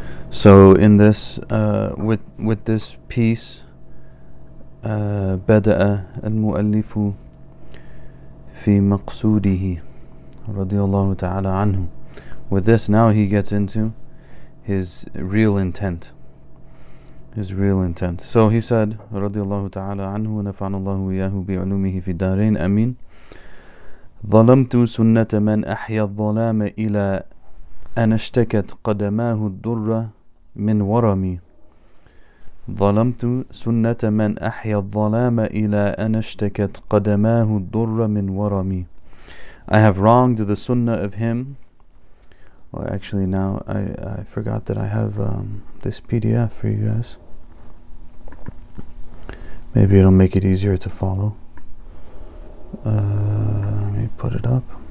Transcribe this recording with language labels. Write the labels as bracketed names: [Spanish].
[English] So in this, with this piece, [Arabic] بدأ المؤلف في مقصوده رضي الله تعالى عنه. [English] With this, now he gets into his real intent. So he said, [Arabic] رضي الله تعالى عنه ونفعنا الله وياه بعلومه في الدارين أمين. ظلمت سنة من أحيى الظلام إلى أن اشتكت قدماه الدر من ورمي. ظلمت سنة من أحيى الظلام إلى أن اشتكت قدماه الدر من ورمي. [English] I have wronged the sunnah of him. Well, actually, now I forgot that I have this PDF for you guys. Maybe it'll make it easier to follow. Let me put it up.